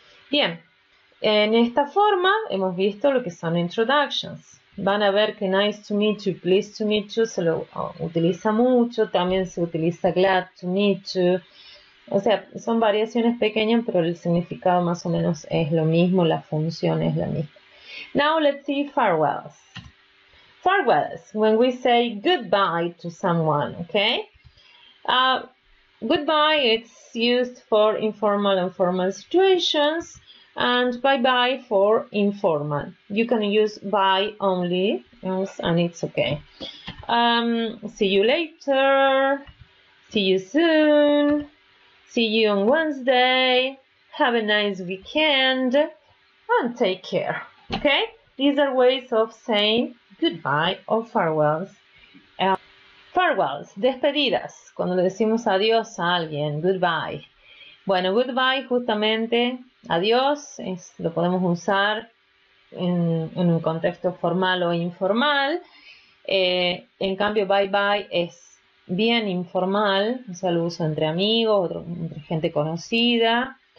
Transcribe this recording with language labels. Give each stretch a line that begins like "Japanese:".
Spanish: Bien, en esta forma hemos visto lo que son introductions. Van a ver que
English: nice to meet you, please to meet you
Spanish: se lo utiliza mucho, también se utiliza
English: glad to meet you.
Spanish: O sea, son variaciones pequeñas, pero el significado más o menos es lo mismo, la función es la misma.
English: Now let's see farewells. Farewells, when we say goodbye to someone, okay? Goodbye, it's used for informal and formal situations, and bye-bye for informal. You can use bye only, yes, and it's okay. See you later, see you soon, see you on Wednesday, have a nice weekend, and take care, okay? These are ways of saying goodbye or farewells.
Spanish: Farewells, despedidas, cuando le decimos adiós a alguien, goodbye. Bueno, goodbye justamente, adiós, lo podemos usar en un contexto formal o informal. En cambio, bye-bye es bien informal, o sea, lo uso entre amigos, entre gente conocida.